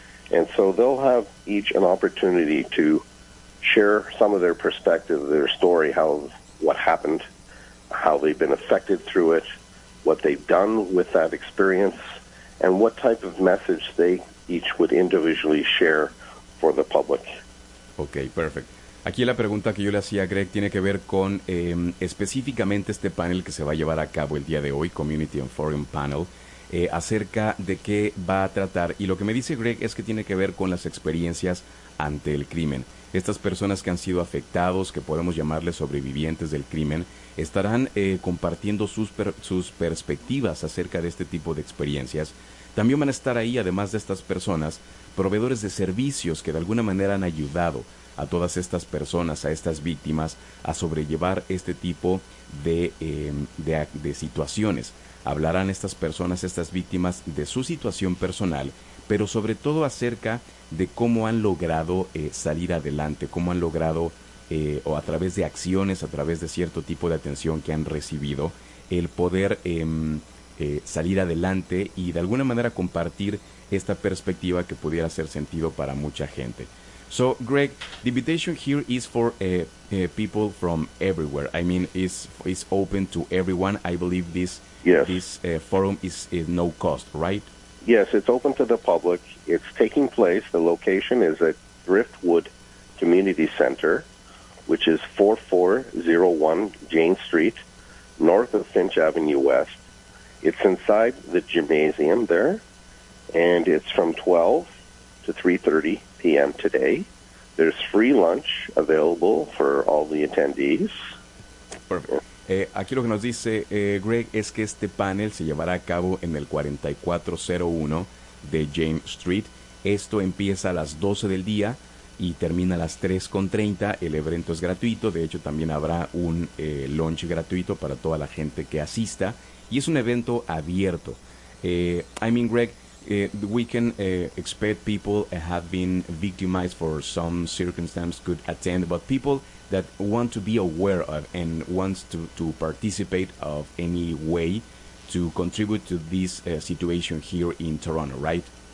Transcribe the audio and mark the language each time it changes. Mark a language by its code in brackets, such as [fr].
[en] And so they'll have each an opportunity to share some of their perspective, their story, how what happened, how they've been affected through it, what they've done with that experience, and what type of message they each would individually share for the public. Okay, perfect. [es] Aquí la pregunta que yo le hacía a Greg tiene que ver con específicamente este panel que se va a llevar a cabo el día de hoy, Community and Forum Panel, acerca de qué va a tratar. Y lo que me dice Greg es que tiene que ver con las experiencias ante el crimen. Estas personas que han sido afectados, que podemos llamarles sobrevivientes del crimen, estarán compartiendo sus perspectivas acerca de este tipo de experiencias. También van a estar ahí, además de estas personas, proveedores de servicios que de alguna manera han ayudado a todas estas personas, a estas víctimas, a sobrellevar este tipo de situaciones. Hablarán estas personas, estas víctimas, de su situación personal, pero sobre todo acerca de cómo han logrado salir adelante, cómo han logrado, o a través de acciones, a través de cierto tipo de atención que han recibido, el poder salir adelante y de alguna manera compartir esta perspectiva que pudiera hacer sentido para mucha gente. [en] So, Greg, the invitation here is for people from everywhere. I mean, it's open to everyone. I believe this forum is no cost, right? Yes, it's open to the public. It's taking place. The location is at Driftwood Community Center, which is 4401 Jane Street, north of Finch Avenue West. It's inside the gymnasium there, and it's from 12 to 3:30 p.m. today. There's free lunch available for all the attendees. [es] Aquí lo que nos dice Greg es que este panel se llevará a cabo en el 4401 de James Street. Esto empieza a las 12 del día y termina a las 3:30. El evento es gratuito. De hecho, también habrá un lunch gratuito para toda la gente que asista. Y es un evento abierto. [en] Greg, we can expect people have been victimized for some circumstance could attend, but people that want to be aware of and wants to participate of any way to contribute to this situation here in Toronto, right?